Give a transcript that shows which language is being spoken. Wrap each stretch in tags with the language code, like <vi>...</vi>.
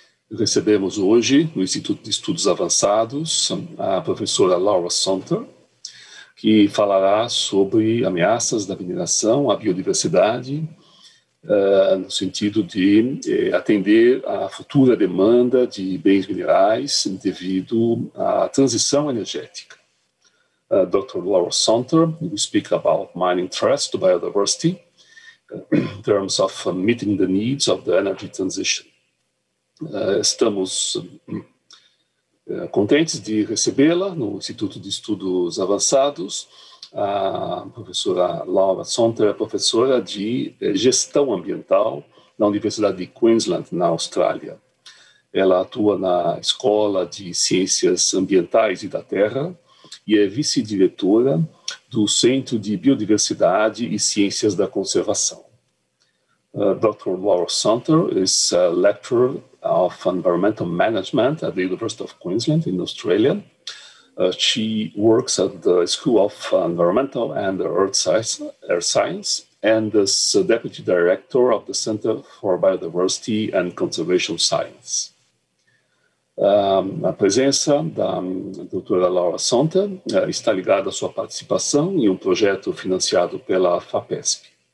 <pt>Recebemos hoje, no Instituto de Estudos Avançados, a professora Laura Sumter, que falará sobre ameaças da mineração à biodiversidade, no sentido de atender à futura demanda de bens minerais devido à transição energética.</pt> <en>Dr. Laura Sumter will speak about mining threats to biodiversity in terms of meeting the needs of the energy transition.</en> <pt>Estamos contentes de recebê-la no Instituto de Estudos Avançados. A professora Laura Sumter é professora de gestão ambiental na Universidade de Queensland, na Austrália. Ela atua na Escola de Ciências Ambientais e da Terra e é vice-diretora do Centro de Biodiversidade e Ciências da Conservação.</pt> <en>Dr. Laura Sumter is a lecturer of environmental management at the University of Queensland in Australia. She works at the School of Environmental and Earth Science and is deputy director of the Center for Biodiversity and Conservation Science.</en> <pt>A presença da doutora Laura Sumter está ligada à sua participação em projeto financiado pela FAPESP.</pt>